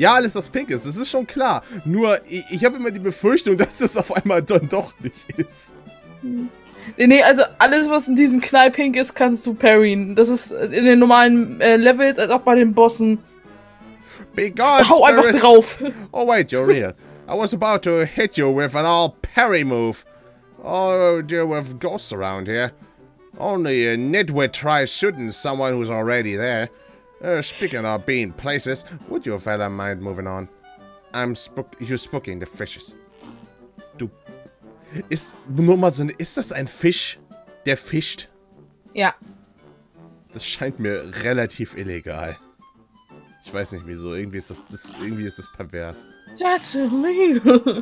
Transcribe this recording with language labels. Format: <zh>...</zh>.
<de>Ja, alles, was pink ist. Das ist schon klar. Nur, ich habe immer die Befürchtung, dass es auf einmal dann doch nicht ist. Nee, also alles, was in diesem Knall pink ist, kannst du parryen. Das ist in den normalen Levels, als auch bei den Bossen.</de> <en>Be gone, hau spirit.</en> <de>Einfach drauf.</de> <en>Oh, wait, you're real. I was about to hit you with an all parry move. Oh, dear, we have ghosts around here. Only a nitwit tries shooting someone who's already there. Speaking of being places, would you fella mind moving on? You're spooking the fishes.</en> <de>Du. Ist nur mal so ein. Ist das ein Fisch, der fischt? Ja. Das scheint mir relativ illegal. Ich weiß nicht wieso. Irgendwie ist das pervers.</de> <en>That's illegal.</en>